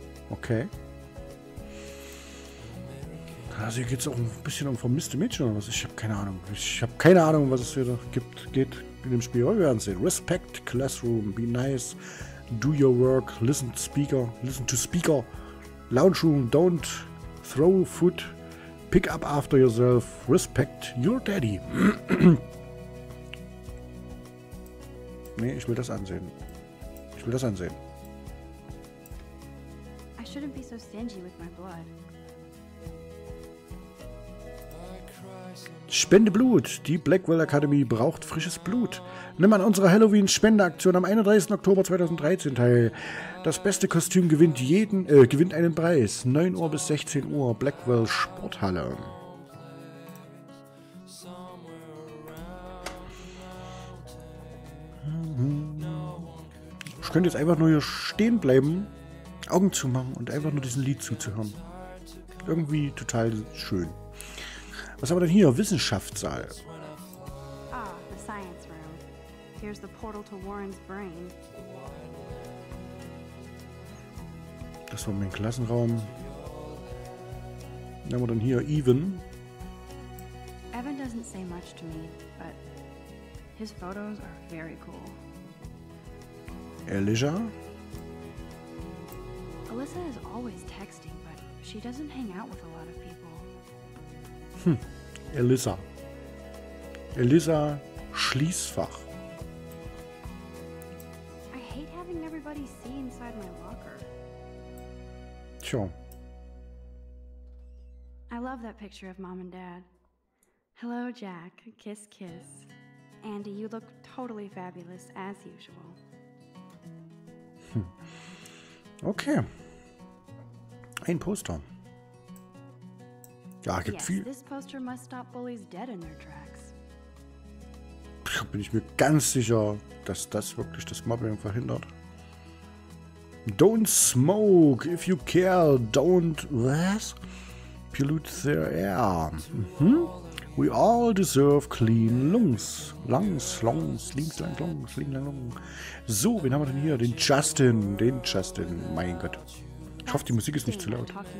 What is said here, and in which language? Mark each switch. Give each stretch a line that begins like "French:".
German: Okay. Also hier geht es auch ein bisschen um vermisste Mädchen oder was? Ich habe keine Ahnung. Ich habe keine Ahnung, was es hier noch gibt. Geht. In dem Spiel, wir werden sehen.
English: Respect, Classroom, be nice, do your work, listen to speaker, lounge room, don't throw food, pick up after yourself, respect your daddy.
German: Nee, ich will das ansehen.
English: I shouldn't be so stingy with my blood.
German: Spende Blut. Die Blackwell Academy braucht frisches Blut. Nimm an unserer Halloween-Spendeaktion am 31. Oktober 2013 teil. Das beste Kostüm gewinnt einen Preis. 9 Uhr bis 16 Uhr. Blackwell Sporthalle. Schön. Ich könnte jetzt einfach nur hier stehen bleiben, Augen zu machen und einfach nur diesem Lied zuzuhören. Irgendwie total schön. Was haben wir denn hier? Wissenschaftssaal.
English: Ah, the science room. Here's the portal to Warren's brain.
German: Das war mein Klassenraum. Dann haben wir dann hier Evan.
English: Evan doesn't say much to me, but his photos are very cool. Elijah. Alyssa is always texting, but she doesn't hang out with a lot of people.
German: Elisa. Elisa Schließfach.
English: I hate having everybody see inside my locker.
German: Tja.
English: I love that picture of Mom and Dad. Hello, Jack. Kiss, kiss. Andy, you look totally fabulous, as usual.
German: Okay. Ein Poster. Ja, gibt
English: yes,
German: viel.
English: This poster must stop bullies dead in their tracks.
German: Da bin ich mir ganz sicher, dass das wirklich das Mobbing verhindert.
English: Don't smoke if you care. Don't what? Pollute their air. Mhm. We all deserve clean lungs. Lungs.
German: So, wen haben wir denn hier? Den Justin. Mein Gott. Ich hoffe, die Musik ist nicht zu laut.